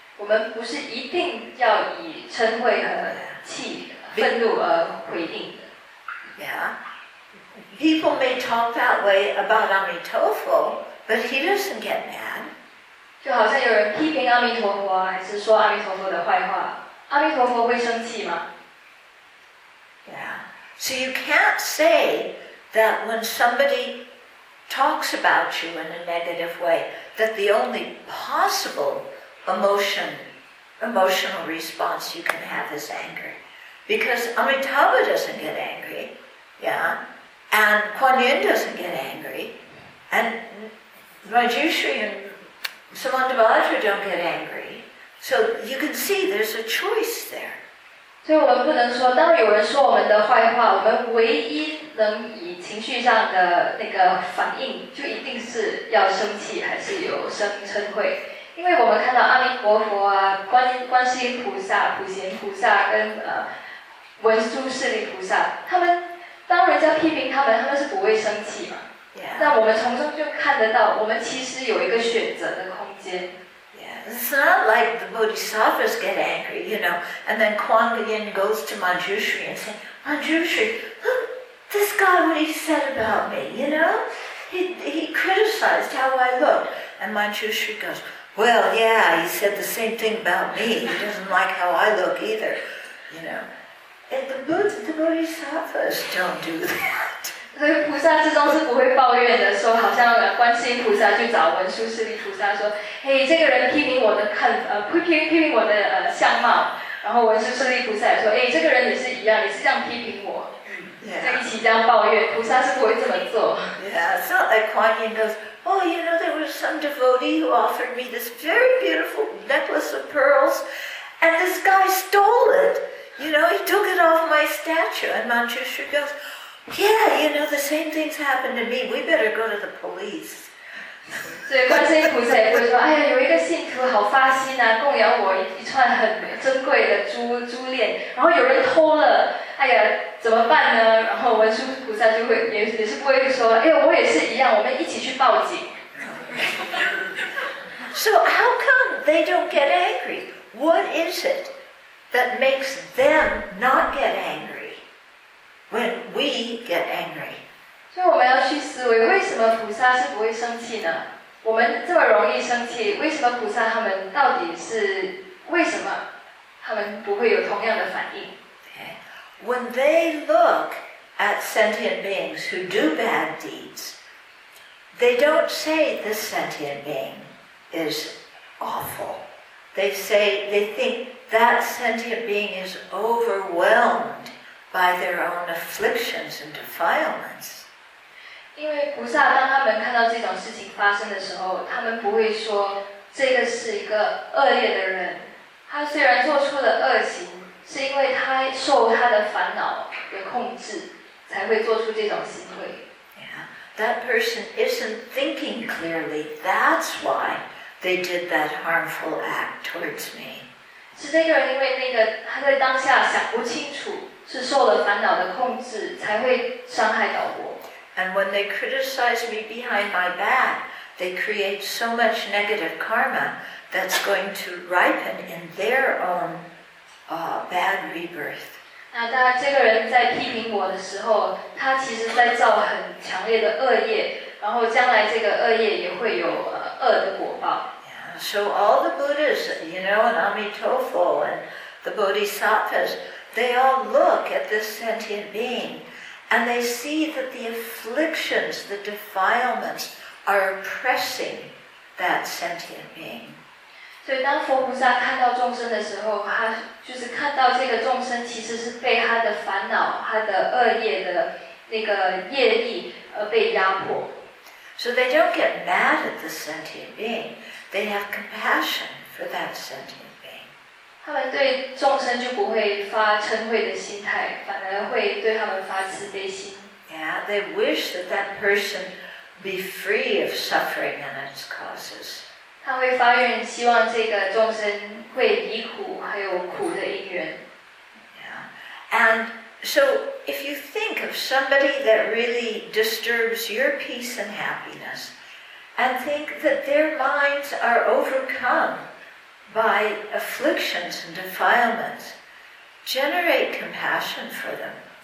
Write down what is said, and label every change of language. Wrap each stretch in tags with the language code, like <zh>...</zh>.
<zh>我们不是一定要以嗔恚和气、愤怒而回应的。</zh> <en>Yeah. People may talk that way about Amitofo, but he doesn't get mad.</en> <zh>就好像有人批评阿弥陀佛，还是说阿弥陀佛的坏话，阿弥陀佛会生气吗？</zh> <en>Yeah. So you can't say that when somebody talks about you in a negative way, that the only possible emotional response you can have is anger. Because Amitabha doesn't get angry, yeah? And Kuan Yin doesn't get angry, and Manjushri andSamantabhadra don't get angry. So you can see there's a choice there.</en> <zh>所以我们不能说当有人说我们的坏话，我们唯一能以情绪上的那个反应就一定是要生气还是有生嗔恚。因为我们看到阿弥陀佛啊，观世音菩萨、普贤菩萨跟文殊室利菩萨，他们当人家批评他们，他们是不会生气嘛。</zh> <en>Yeah.</en> <zh>那我们从中就看得到，我们其实有一个选择的空间。</zh> <en>Yeah. It's not like the bodhisattvas get angry, you know, and then Kuan Yin goes to Manjushri and says, Manjushri, look, this guy, what he said about me, you know? He criticized how I looked. And Manjushri goes, well, yeah, he said the same thing about me. He doesn't like how I look either, you know. And the bodhisattvas don't do that.</en> <zh>所以菩萨之中是不会抱怨的，说好像观世音菩萨去找文殊师利菩萨说，嘿，这个人批评我的看，批评我的相貌，然后文殊师利菩萨说，哎，这个人也是一样，也是这样批评我，在一起这样抱怨，菩萨是不会这么做。</zh> <en>Yeah, it's not like Kuan Yin goes, oh, you know, there was some devotee who offered me this very beautiful necklace of pearls, and this guy stole it. You know, he took it off my statue. And Manjushri goes. Yeah, you know, the same things happened to me. We better go to the police.</en> <zh>所以观世音菩萨也会说，哎呀，有一个信徒好发心啊，供养我一串很珍贵的珠链，然后有人偷了，哎呀，怎么办呢？然后文殊菩萨就会也是不会说，哎呀，我也是一样，我们一起去报警。</zh> <en>So how come they don't get angry? What is it that makes them not get angry? When we get angry.</en> <zh>所以我们要去思维，为什么菩萨是不会生气呢？我们这么容易生气，为什么菩萨他们到底是，为什么他们不会有同样的反应？</zh> <en>When they look at sentient beings who do bad deeds, they don't say this sentient being is awful. They think that sentient being is overwhelmed. By their own afflictions and defilements.</en> <zh>因为菩萨当他们看到这种事情发生的时候，他们不会说这个是一个恶劣的人。他虽然做出了恶行，是因为他受他的烦恼的控制，才会做出这种行为。</zh> <en>Yeah, that person isn't thinking clearly. That's why they did that harmful act towards me.</en> <zh>是这个人因为那个他在当下想不清楚。是受了烦恼的控制，才会伤害到我。</zh> <en>And when they criticize me behind my back, they create so much negative karma that's going to ripen in their own bad rebirth.</en> <zh>那当这个人在批评我的时候，他其实在造很强烈的恶业，然后将来这个恶业也会有恶的果报。</zh> <en>Yeah, so all the Buddhas, you know, and Amitofo and the Bodhisattvas. They all look at this sentient being and they see that the afflictions, the defilements are oppressing that sentient being.</en> <zh>所以当佛菩萨看到众生的时候，他就是看到这个众生其实是被他的烦恼，他的恶业的那个业力而被压迫。</zh> <en>So they don't get mad at the sentient being. they have compassion for that sentient being.</en> <zh>他们对众生就不会发嗔恚的心态，反而会对他们发慈悲心。</zh> <en>Yeah, they wish that that person be free of suffering and its causes.</en> <zh>他会发愿，希望这个众生会离苦，还有苦的因缘。</zh> <en>And so if you think of somebody that really disturbs your peace and happiness and think that their minds are overcome by afflictions and defilements, generate compassion for them.</en>